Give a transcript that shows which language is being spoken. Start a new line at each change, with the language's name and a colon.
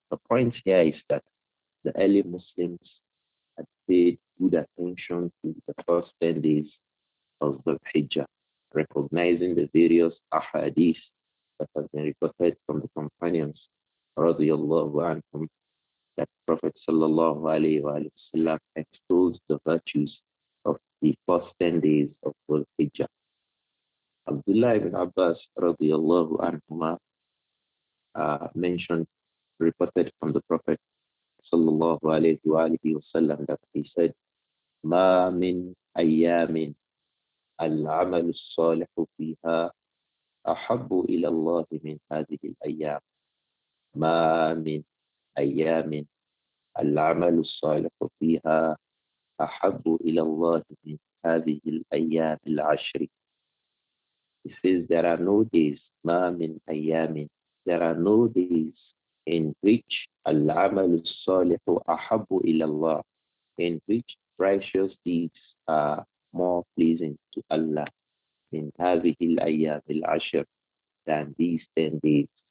English: The point here is that the early Muslims had paid good attention to the first 10 days of the Hijjah, recognizing the various ahadith that have been reported from the companions radiyallahu anhum, that Prophet sallallahu alayhi wa sallam extols the virtues of the first 10 days of Al-Hijjah. Abdullah ibn Abbas radiyallahu anhum mentioned, reported from the Prophet sallallahu alayhi wa sallam, that he said,
Arabic: مَا مِنْ أَيَّامٍ الْعَمَلُ الصَّالِحُ فِيهَا أَحَبُّ إِلَى اللَّهِ مِنْ هَذِهِ الْأَيَّامِ ما من أيام العمل الصالح فيها أحب إلى الله من هذه الأيام العشر.
English: He says there are no days,
Arabic: ما من أيام,
English: there are no days in which
Arabic: العمل الصالح أحب إلى الله,
English: in which righteous deeds are more pleasing to Allah,
Arabic: من هذه الأيام العشر,
English: than these 10 days.